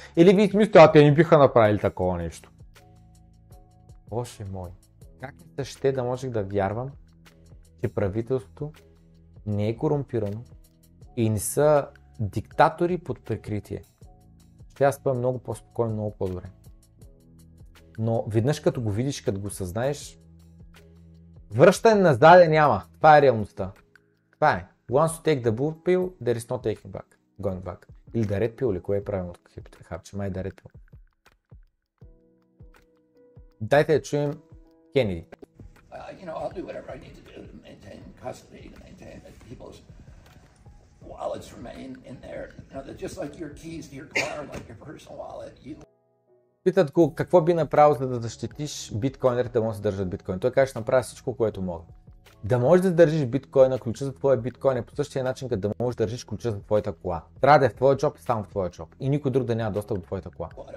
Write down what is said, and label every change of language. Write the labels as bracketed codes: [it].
[bg] Или ви смисля, а те не биха направили такова нещо? Боже мой, как не ще да можех да вярвам, че правителството не е корумпирано и не са диктатори под прикритие? Ще аз спам много по-спокойно, много по-добре. Но веднъж като го видиш, като го съзнаеш, връщане назад няма. Това е реалността. Това е. [en] Once you take the blue pill, there is no taking back. Going back. [bg] Или [en] the red pill, [bg] или кое е правилно? Хапче, май the red pill. Дайте да чуем Кенеди. [en] You know, I'll do whatever I need to do to maintain custody, to maintain that people's wallets remain in there. You know, just like your keys to your car, like your personal wallet. You... [bg] Питат го какво би направил, за да защитиш биткоинерите, да може да държат биткоин. Той каже, ще направя всичко, което мога. Да можеш да държиш биткоина, ключа за твоя биткоин е по същия начин, като да можеш да държиш ключа за твоята кола. Трябва да е в твоя джоб и само в твоя джоб. И никой друг да няма достъп до твоята кола.